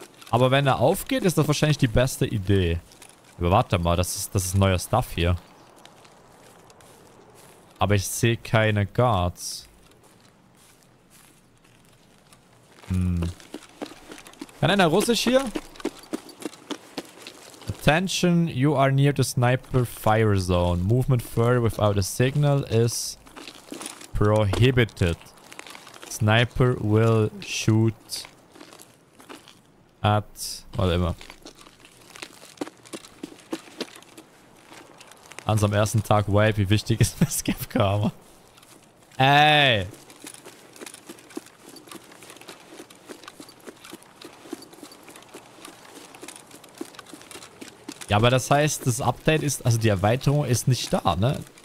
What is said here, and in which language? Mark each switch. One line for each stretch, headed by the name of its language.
German: Aber wenn er aufgeht, ist das wahrscheinlich die beste Idee. Aber warte mal, das ist neuer Stuff hier. Aber ich sehe keine Guards. Kann einer Russisch hier?
English: Attention, you are near the sniper fire zone. Movement further without a signal is prohibited. Sniper will shoot at whatever.
German: Hans am ersten Tag wipe, wie wichtig ist das Skip-Karma? Ey! Ja, aber das heißt, das Update ist, also die Erweiterung ist nicht da, ne?